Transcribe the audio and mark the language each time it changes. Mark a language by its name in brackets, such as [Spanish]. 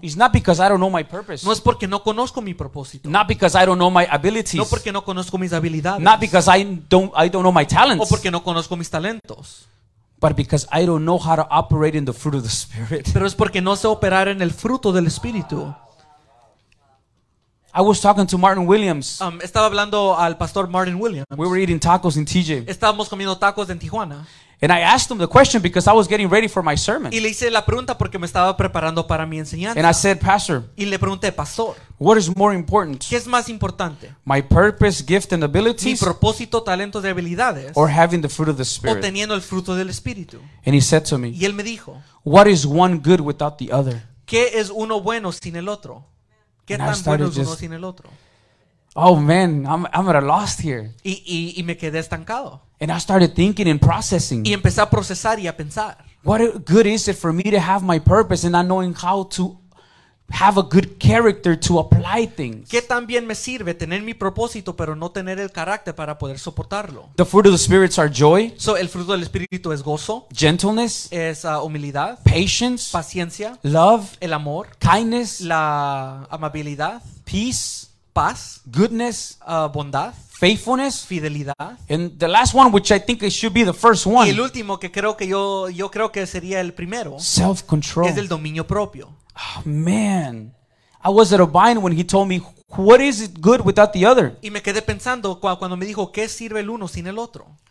[English] Is not because I don't know my purpose. [Spanish] No es porque no conozco mi propósito. [English] Not because I don't know my abilities. [Spanish] No porque no conozco mis habilidades. [English] Not because I don't know my talents. [Spanish] O porque no conozco mis talentos. [English] But because I don't know how to operate in the fruit of the Spirit. [Spanish] Pero es porque no sé operar en el fruto del Espíritu. [English] I was talking to Martin Williams. [Spanish] Estaba hablando al pastor Martin Williams. [English] We were eating tacos in TJ. [Spanish] Estábamos comiendo tacos en Tijuana. [English] And I asked him the question because I was getting ready for my sermon. [Spanish] Y le hice la pregunta porque me estaba preparando para mi enseñanza. [English] And I said, Pastor. [Spanish] Y le pregunté, Pastor. [English] What is more important? [Spanish] ¿Qué es más importante? [English] My purpose, gift, and abilities. [Spanish] Mi propósito, talento, y habilidades. [English] Or having the fruit of the Spirit. [Spanish] O teniendo el fruto del Espíritu. [English] And he said to me. [Spanish] Y él me dijo. [English] What is one good without the other? [Spanish] ¿Qué es uno bueno sin el otro? ¿Qué [English] and [Spanish] tan [English] I started [Spanish] bueno es [English] just, [Spanish] uno sin el otro? [English] Oh man, I'm at a loss here. [Spanish] Y me quedé estancado. [English] And I started thinking and processing. [Spanish] Y empecé a procesar y a pensar. [English] What good is it for me to have my purpose and not knowing how to have a good character to apply things? [Spanish] ¿Qué tan bien me sirve tener mi propósito pero no tener el carácter para poder soportarlo? [English] The fruit of the spirits are joy. [Spanish] So el fruto del espíritu es gozo. [English] Gentleness. [Spanish] Es humildad. [English] Patience. [Spanish] Paciencia. [English] Love. [Spanish] El amor. [English] Kindness. [Spanish] La amabilidad. [English] Peace. [Spanish] Paz. [English] Goodness. [Spanish] Bondad. [English] Faithfulness. [Spanish] Fidelidad. [English] And the last one, which I think it should be the first one. [Spanish] Y el último que creo que yo creo que sería el primero. [English] Self-control. [Spanish] Es el dominio propio. [English] Oh, man, I was at a bind when he told me, "What is it good without the other?" [Spanish] Y me quedé pensando cuando me dijo qué sirve el uno sin el otro.